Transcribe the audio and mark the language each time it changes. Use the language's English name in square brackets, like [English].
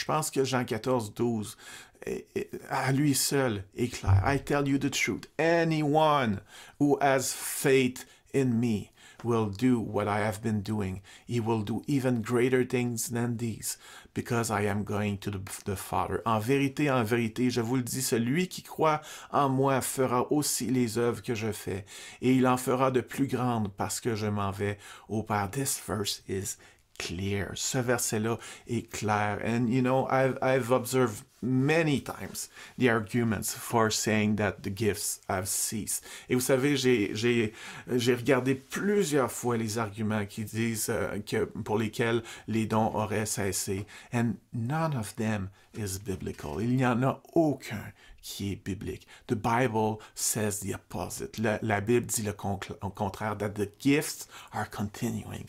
[French] Je pense que Jean 14, 12 à lui seul est clair. [English] I tell you the truth. Anyone who has faith in me will do what I have been doing. He will do even greater things than these, because I am going to the Father. [French] En vérité, je vous le dis, celui qui croit en moi fera aussi les œuvres que je fais, et il en fera de plus grandes, parce que je m'en vais au Père. [English] This verse is clear. [French] Ce verset-là est clair. [English] And you know, I've observed many times the arguments for saying that the gifts have ceased. [French] Et vous savez, j'ai regardé plusieurs fois les arguments qui disent que pour lesquels les dons auraient cessé. [English] And none of them is biblical. [French] Il n'y en a aucun qui est biblique. [English] The Bible says the opposite. [French] La Bible dit au contraire, [English] that the gifts are continuing.